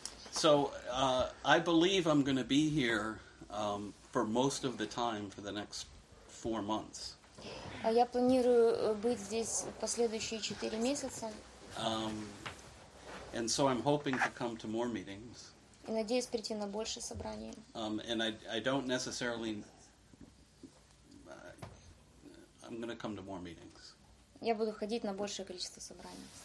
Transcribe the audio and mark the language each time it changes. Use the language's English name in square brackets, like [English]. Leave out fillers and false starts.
[English] So, I believe I'm going to be here for most of the time for the next 4 months. [Russian] Я планирую быть здесь последующие 4 месяца. [English] And so I'm hoping to come to more meetings. [Russian] И надеюсь прийти на больше собраний. [English] And I don't necessarily... I'm going to come to more meetings. [Russian] Я буду ходить на большее количество собраний.